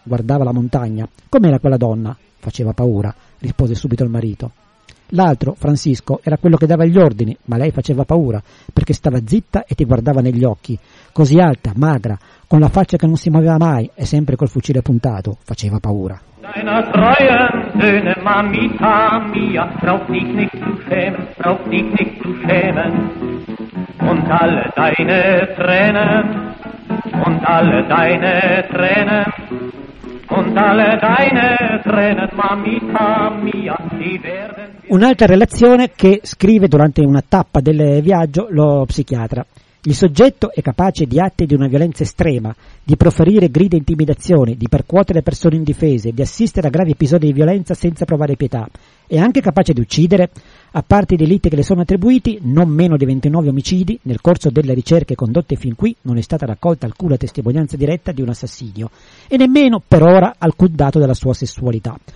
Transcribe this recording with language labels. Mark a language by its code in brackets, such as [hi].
[it] Guardava la montagna. Com'era quella donna? Faceva paura, rispose subito il marito. L'altro, Francisco, era quello che dava gli ordini, ma lei faceva paura, perché stava zitta e ti guardava negli occhi. Così alta, magra, con la faccia che non si muoveva mai e sempre col fucile puntato, faceva paura. [de] Deine treuen Söhne, Mamita mia, brauch dich nicht zu schämen, brauch dich nicht zu schämen. Und alle deine Tränen, und alle deine Tränen, und alle deine Tränen, Mamita mia, die werden... [it] Un'altra relazione che scrive durante una tappa del viaggio lo psichiatra. Il soggetto è capace di atti di una violenza estrema, di proferire grida e intimidazioni, di percuotere persone indifese, di assistere a gravi episodi di violenza senza provare pietà. è anche capace di uccidere? A parte i delitti che le sono attribuiti, non meno di 29 omicidi, nel corso delle ricerche condotte fin qui non è stata raccolta alcuna testimonianza diretta di un assassinio e nemmeno, per ora, alcun dato della sua sessualità.